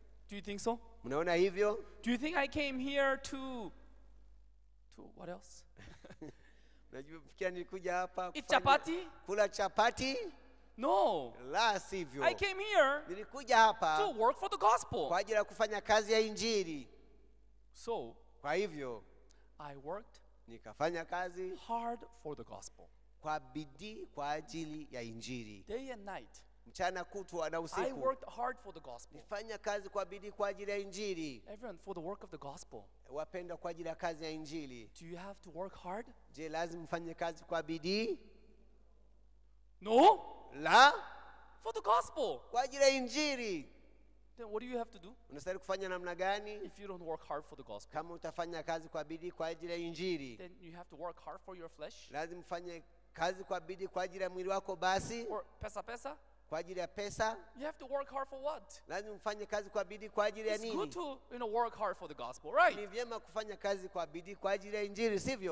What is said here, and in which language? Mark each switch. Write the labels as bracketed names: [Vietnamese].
[English] Do you think so? [Swahili] Mnaona hivyo? [English] Do you think I came here to what else? Eat chapati? [Swahili] Kula chapati? [English] No. [Swahili] La sivyo. [English] I came here to work for the gospel. [Swahili] Kwa ajili ya kufanya kazi ya injili. [English] So, [Swahili] kwa hivyo, [English] I worked [Swahili] nikafanya kazi [English] hard for the gospel. [Swahili] Kwa bidii kwa ajili ya injili. [English] Day and night. [Swahili] Mchana kutwa na usiku. [English] I worked hard for the gospel. [Swahili] Nifanya kazi kwa bidii kwa ajili ya injili. [English] Everyone, for the work of the gospel. [Swahili] Wapenda kwa ajili ya kazi ya injili. [English] Do you have to work hard? [Swahili] Je, lazima ufanye kazi kwa bidii? [English] No. [Swahili] La. [English] For the gospel. [Swahili] Kwa ajili ya injili. [English] Then what do you have to do? [Swahili] Unastahili kufanya namna gani? [English] If you don't work hard for the gospel. [Swahili] Kama utafanya kazi kwa bidii kwa ajili ya injili. [English] Then you have to work hard for your flesh. [Swahili] Lazima ufanye kazi kwa bidii kwa ajili ya mwili wako basi. [English] Or pesa. [Swahili] Kwa ajili ya pesa? [English] You have to work hard for what? [Swahili] Lazima ufanye kazi kwa bidii kwa ajili ya nini? [English] It's good to, you know, work hard for the gospel, right? [Swahili] Ni vyema kufanya kazi kwa bidii kwa ajili ya injili, sivyo?